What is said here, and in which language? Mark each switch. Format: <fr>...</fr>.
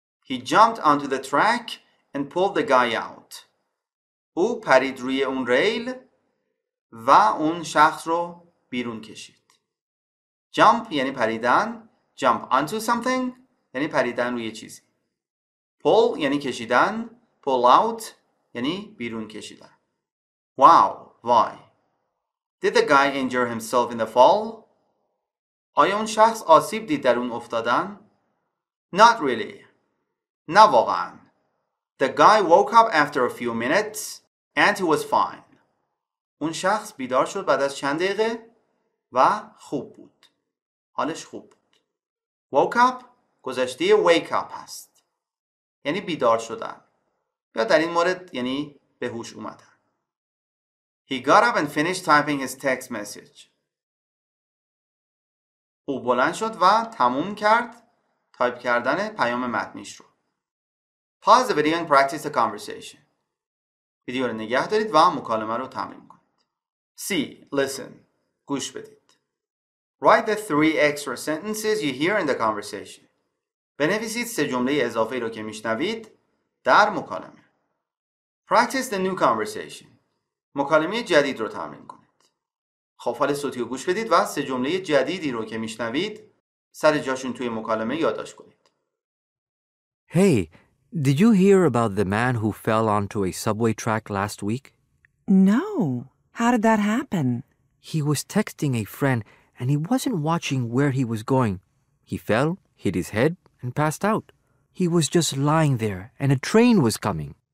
<en>He jumped onto the track and pulled the guy out.</en> <fa>او پرید روی اون ریل و اون شخص رو بیرون کشید. Jump یعنی پریدن. Jump onto something یعنی پریدن روی چیزی. Pull یعنی کشیدن. Pull out یعنی بیرون کشیدن.</fa> <en>Wow, why? Did the guy injure himself in the fall?</en> <fa>آیا اون شخص آسیب دید در اون افتادن؟</fa> <en>Not really.</en> <fa>نه واقعا.</fa> <en>The guy woke up after a few minutes and he was fine.</en> <fa>اون شخص بیدار شد بعد از چند دقیقه و خوب بود. حالش خوب بود. Woke up گذشته wake up هست. یعنی بیدار شدن. یا در این مورد یعنی به هوش اومدن.</fa> <en>He got up and finished typing his text message.</en> <fa>او بلند شد و تموم کرد تایپ کردن پیام متنیش رو.</fa> <en>Pause the video and practice the conversation.</en> <fa>ویدیو رو نگه دارید و مکالمه رو تمرین کنید.</fa> <en>See, listen.</en> <fa>گوش بدید.</fa> <en>Write the three extra sentences you hear in the conversation.</en> <fa>بنویسید سه جمله اضافه رو که میشنوید در مکالمه.</fa> <en>Practice the new conversation.</en> <fa>مکالمه جدید رو تمرین کنید. خفال صوتی رو گوش بدید و سه جمله جدیدی رو که میشنوید سر جاشون توی مکالمه یادداشت کنید.</fa> <en>Hey, did you hear about the man who fell onto a subway track last week? No. How did that happen? He was texting a friend and he wasn't watching where he was going. He fell, hit his head and passed out. He was just lying there and a train was coming.</en>